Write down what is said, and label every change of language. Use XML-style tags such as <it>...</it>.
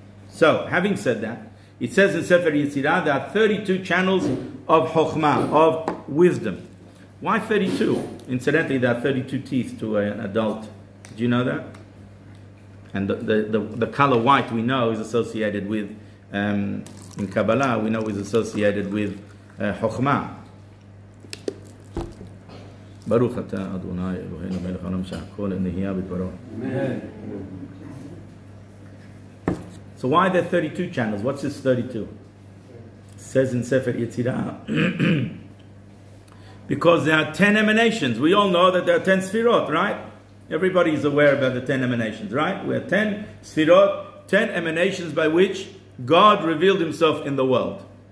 <en>So, having said that, it says in Sefer Yetzirah, there are 32 channels of Chokhmah, of wisdom. Why 32? Incidentally, there are 32 teeth to an adult. Did you know that? And the color white we know is associated with, in Kabbalah, we know is associated with Chokhmah.</en> <he>ברוך אתה אדוני אלוהינו מלך העולם שהכל נהיה בדברו.</he> <en>So why are there 32 channels? What's this 32? It says in Sefer Yetzirah. Because there are 10 emanations. We all know that there are 10 sefirot, right? Everybody is aware about the 10 emanations, right? We have 10 sefirot, 10 emanations by which God revealed himself in the world.</en>